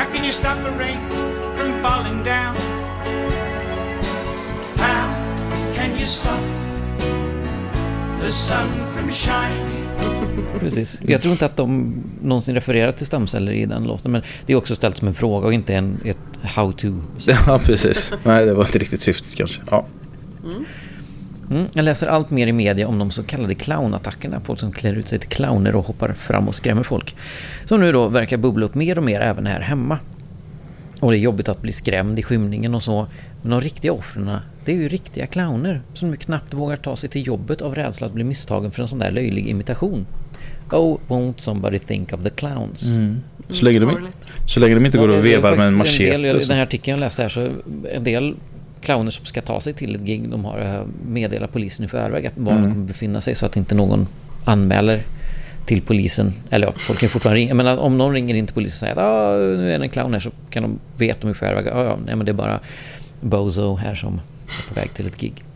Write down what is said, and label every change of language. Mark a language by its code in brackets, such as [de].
[en] Stop the rain from falling down. How can you stop the sun from shining? [sv] Precis. Jag tror inte att de någonsin refererar till stamceller i den låten, men det är också ställt som en fråga och inte ett [en] how to. [sv] Ja, precis. Nej, det var inte riktigt syftet kanske. Ja. Jag läser allt mer i media om de så kallade clownattackerna, folk som klär ut sig till clowner och hoppar fram och skrämmer folk. Så nu då verkar bubbla upp mer och mer även här hemma. Och det är jobbigt att bli skrämd i skymningen och så. Men de riktiga offren, det är ju riktiga clowner som knappt vågar ta sig till jobbet av rädsla att bli misstagen för en sån där löjlig imitation. [en] Oh, won't somebody think of the clowns? Mm. [sv] Så länge de inte går och vevar med en machete. I den här artikeln jag läste här så en del clowner som ska ta sig till ett gig, de har meddelat polisen i förväg att var de kommer befinna sig så att inte någon anmäler till polisen, eller ja, folk kan fortfarande ringa, men om någon ringer in till polisen och säger att nu är det en clown här, så kan de veta om i förväg att det är bara Bozo här som är på väg till ett gig.